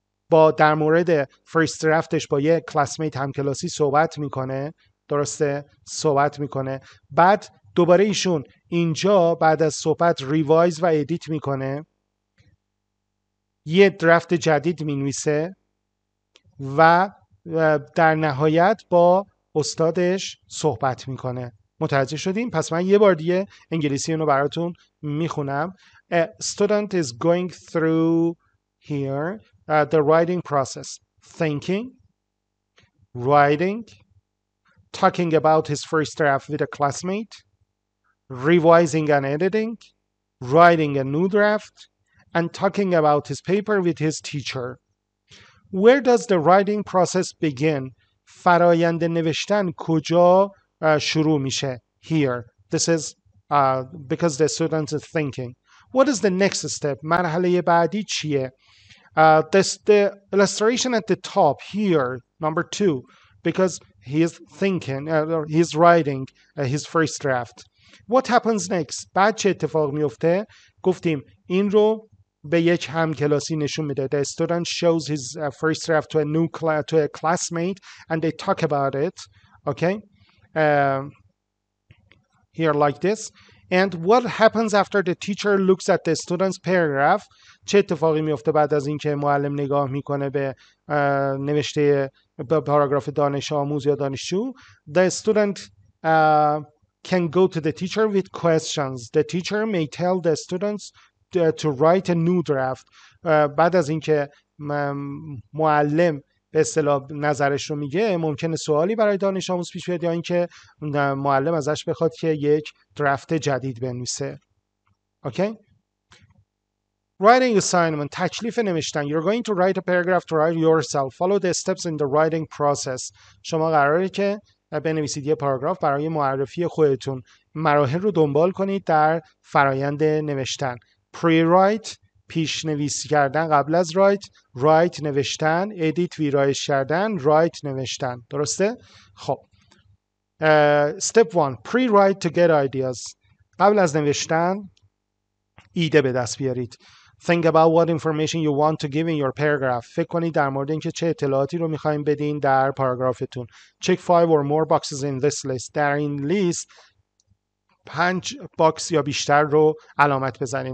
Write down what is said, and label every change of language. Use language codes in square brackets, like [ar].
[fa] با در مورد فرست درافتش با یه کلاسمیت همکلاسی صحبت میکنه، درسته؟ صحبت میکنه، بعد دوباره ایشون اینجا بعد از صحبت ریوایز و ادیت میکنه، یه درافت جدید مینویسه و در نهایت با استادش صحبت میکنه. متوجه شدیم؟ پس من یه بار دیگه انگلیسی اونو براتون میخونم. [en] A student is going through here the writing process, thinking, writing, talking about his first draft with a classmate, revising and editing, writing a new draft, and talking about his paper with his teacher. Where does the writing process begin? [fa] فرایند نوشتن کجا شروع میشه؟ [en] Here. This is because the student is thinking. What is the next step? [fa] مرحله بعدی چیه؟ [en] The illustration at the top here, number 2, because he is thinking, he is writing his first draft. What happens next? [fa] بعد چه اتفاق میفته؟ گفتیم این رو به یک همکلاسی نشون میده. [en] The student shows his first draft to a new to a classmate and they talk about it. Okay? Here like this. And what happens after the teacher looks at the student's paragraph? [fa] چه اتفاقی میفته بعد از اینکه معلم نگاه میکنه به نوشته به پاراگراف دانش آموز یا دانشجو؟ [en] The student can go to the teacher with questions. The teacher may tell the students to write a new draft. [fa] بعد از اینکه معلم به اصطلاح نظرش رو میگه، ممکنه سوالی برای دانش آموز پیش بیاد یا اینکه معلم ازش بخواد که یک درفت جدید بنویسه. اوکی؟ [en] Writing assignment. [fa] تکلیف نوشتن. [en] You're going to write a paragraph to write yourself. Follow the steps in the writing process. [fa] شما قراره که بنویسید یه پاراگراف برای معرفی خودتون. مراحل رو دنبال کنید در فرایند نوشتن. [en] Pre-write. [fa] پیش نویسی کردن قبل از write. Write نوشتن. Edit ویرایش کردن. Write نوشتن. درسته؟ خب. [en] Step 1. Pre-write to get ideas. [fa] قبل از نوشتن ایده به دست بیارید. [en] Think about what information you want to give in your paragraph. [fa] فکر کنید در مورد اینکه چه اطلاعاتی رو می‌خواید بدین در پاراگرافتون. [en] Check 5 or more boxes in this list. [fa] در این لیست 5 باکس یا بیشتر رو علامت بزنید.